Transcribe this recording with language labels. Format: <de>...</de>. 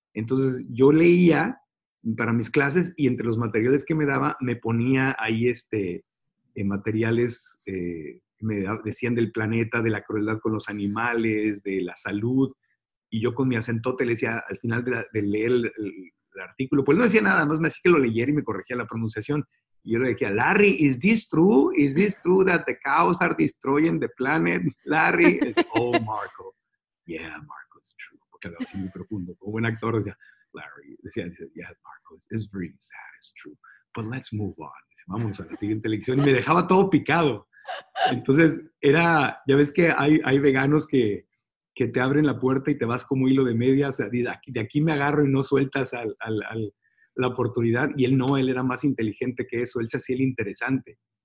<es>Entonces yo leía para mis clases y entre los materiales que me daba me ponía ahí materiales que me decían del planeta, de la crueldad con los animales, de la salud. Y yo con mi acentote le decía al final de leer el artículo, pues no decía nada, más me hacía que lo leyera y me corregía la pronunciación. Y yo le decía, Larry,</es> <en>is this true? Is this true that the cows are destroying the planet? Larry, it's all Marco. Yeah, Marco, it's true.</en> <es>Porque hablaba así muy profundo. Como buen actor, decía,</es> <en>yeah, Marco, it's very sad, it's true. But let's move on.</en> <es>Dice, vamos a la siguiente lección. Y me dejaba todo picado. Entonces, ya ves que hay veganos que te abren la puerta y te vas como hilo de media. O sea, de aquí me agarro y no sueltas al la oportunidad, y él era más inteligente que eso, él se hacía el interesante.</es>